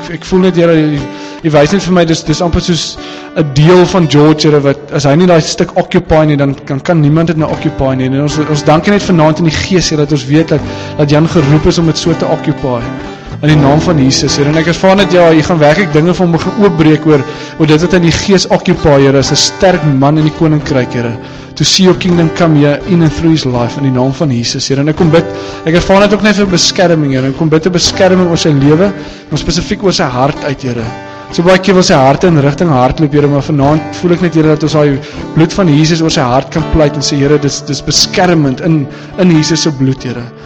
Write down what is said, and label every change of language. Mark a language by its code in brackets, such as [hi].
[af] Ek voel net, Here, jy wys net vir my, dis amper soos 'n deel van George, Here, wat as hy nie daai stuk occupy nie, dan kan niemand dit nou occupy nie. En ons dankie net vanaand in die gees, Here, dat ons weet dat Jan geroep is om dit so te occupy in die naam van Jesus, Here. En ek ervaar net, ja, jy gaan werklik dinge van hom oopbreek oor dit wat in die gees occupy, Here, as 'n sterk man in die koninkryk, Here. [en] to see your kingdom come here in and through his life [af] in die naam van Jesus, Here. En ek kom bid, ek ervaar net ook net vir beskerming, Here. Ek kom bid vir beskerming oor sy lewe, maar spesifiek oor sy hart uit, Here. So baie keer wil sy hart in rigting hardloop, Here, maar vanaand voel ek net, Here, dat ons daai bloed van Jesus oor sy hart kan pleit en sê, Here, dis beskermend in Jesus se bloed, Here.